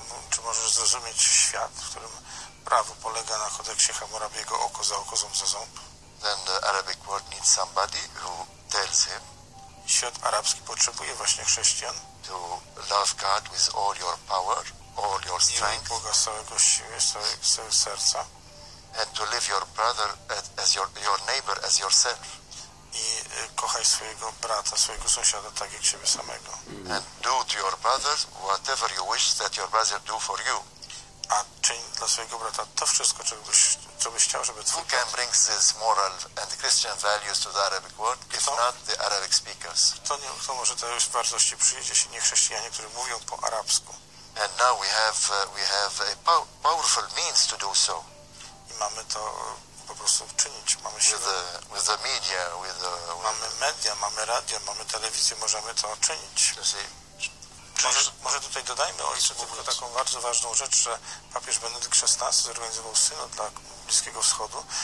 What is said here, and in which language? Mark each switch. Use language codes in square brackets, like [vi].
[pl] Czy możesz zrozumieć świat, w którym prawo polega na kodeksie Hammurabiego, oko za oko, ząb za ząb? [en] Then the Arabic world needs somebody who tells him. [pl] Świat arabski potrzebuje właśnie chrześcijan. [en] To love God with all your power, all your strength. [pl] I Boga z całego siły, z całego serca. [en] And to live your brother as your neighbor as yourself. [pl] I kochaj swojego brata, swojego sąsiada tak jak siebie samego. [en] And do to your brother whatever you wish that your brother do for you. [pl] A czyń dla swojego brata to wszystko, co byś chciał, żeby twój brat... [en] Who can bring this moral and Christian values to the Arabic world, if not the Arabic speakers? [pl] Kto może te wartości przyjdzie, jeśli nie chrześcijanie, którzy mówią po arabsku? [en] And now we have a powerful means to do so. [pl] I mamy to po prostu czynić, mamy siłę. [en] With the media, with [pl] mamy media, mamy radio, mamy telewizję, możemy to czynić. Może tutaj dodajmy, ojcze, tylko taką bardzo ważną rzecz, że papież Benedykt XVI zorganizował synod dla Bliskiego Wschodu.